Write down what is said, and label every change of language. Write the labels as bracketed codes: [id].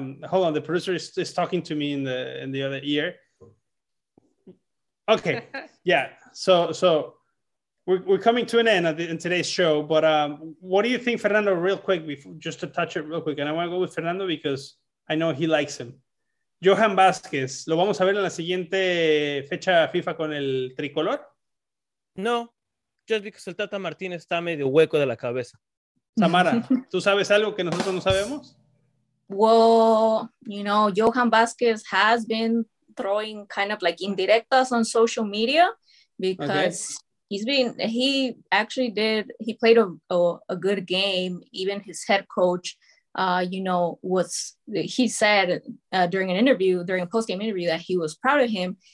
[en] Hold on. The producer is talking to me in the other ear. Okay. Yeah. So we're coming to an end in today's show, but what do you think, Fernando, real quick, just to touch it real quick. And I want to go with Fernando because I know he likes him. Johan Vázquez. [es] ¿Lo vamos a ver en la siguiente fecha FIFA con el tricolor? [en] No, just because [es] el Tata Martínez está medio hueco de la cabeza. Samara, ¿tú sabes algo que nosotros no sabemos? [en] Well, you know, Johan Vázquez has been throwing kind of like indirectas on social media because he played a good game. Even his head coach, during a post-game interview that he was proud of him.